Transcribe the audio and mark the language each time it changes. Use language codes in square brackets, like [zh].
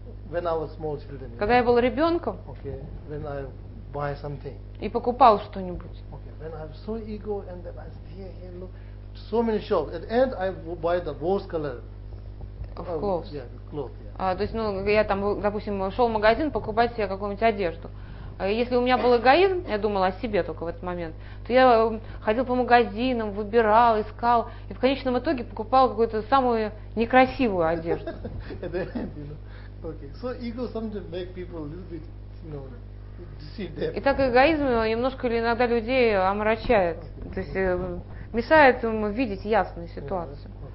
[en] When I was small children. [ru] Когда я был ребенком. [en] Okay. When I buy something. [ru] И покупал что-нибудь. [en] Okay. When I have so ego and then I say, hey, look, so many shops. At the end, I buy the worst color. Of course. Yeah, the cloth. Yeah. [ru] То есть, я там, допустим, шел в магазин покупать себе какую-нибудь одежду. Если у меня был эгоизм, я думала о себе только в этот момент, то я ходил по магазинам, выбирал, искал, и в конечном итоге покупал какую-то самую некрасивую одежду. [en] At the end, you know. Okay. So ego sometimes make people a little bit, you know. [ru] И так эгоизм немножко или иногда людей омрачает, то есть мешает им видеть ясную ситуацию.